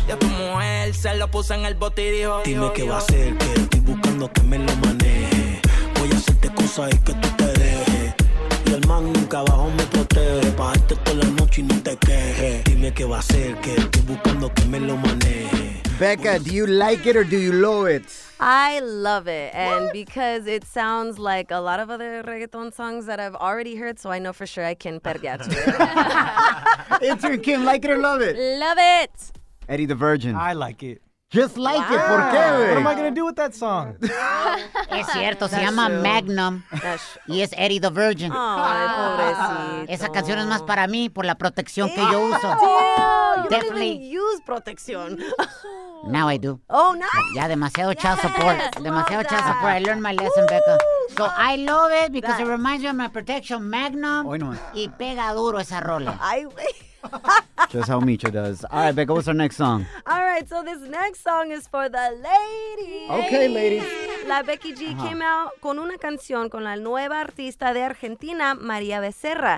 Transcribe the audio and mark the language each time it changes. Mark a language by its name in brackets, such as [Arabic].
[Spanish] Y a tu mujer se lo puse en el bote y dijo, dime qué va a hacer, que estoy buscando que me lo maneje. Voy a hacerte cosas y que tú te dejes. Y el man nunca abajo me protege. Pagarte toda la noche y no te quejes. Dime qué va a hacer, que estoy buscando que me lo maneje. [English] Becca, do you like it or do you love it? I love it. And what? Because it sounds like a lot of other reggaeton songs that I've already heard, so I know for sure I can perrear to it. It's your Kim, like it or love it? Love it. Eddie the Virgin. I like it. Just like it. [Spanish] ¿Por qué? [English] What am I going to do with that song? [Spanish] Es cierto. Se llama Magnum. Y es Eddie the Virgin. Ay, pobrecito. Esa canción es más para mí por la protección que yo uso. [English] Damn. You definitely don't even use protección. Now I do. Oh, nice. [Spanish] Ya, demasiado child support. Demasiado child support. [English] I learned my lesson, Becca. So I love it because it reminds me of my protection, Magnum. [Spanish] Hoy no. Y pega duro esa rola. Ay, wey. [English] Just how Micho does. All right, Becca, what's our next song? All right, so this next song is for the ladies. Okay, ladies. [Spanish] La Becky G [English] came out [Spanish] con una canción con la nueva artista de Argentina, María Becerra.